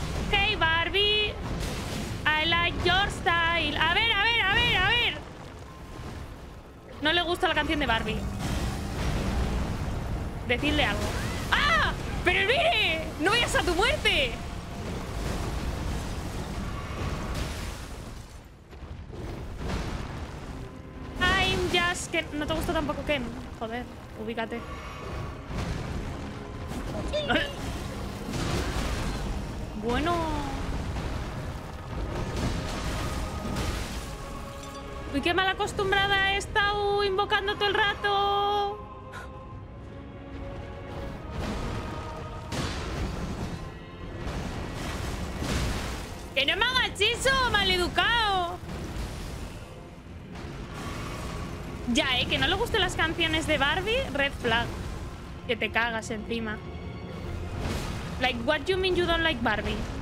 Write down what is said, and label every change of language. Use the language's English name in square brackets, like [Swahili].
[English] Hey Barbie, I like your style. [Spanish] A ver, a ver, a ver, a ver. No le gusta la canción de Barbie. Decidle algo. ¡Ah! ¡Pero mire! ¡No vayas a tu muerte! [English] I'm just Ken. [Spanish] No te gusta tampoco Ken. Joder, ubícate. Bueno, uy, qué mal acostumbrada he estado invocando todo el rato. Que no me hagas eso, maleducado. Ya, que no le gusten las canciones de Barbie, red flag. Que te cagas encima. [English] Like, what you mean you don't like Barbie?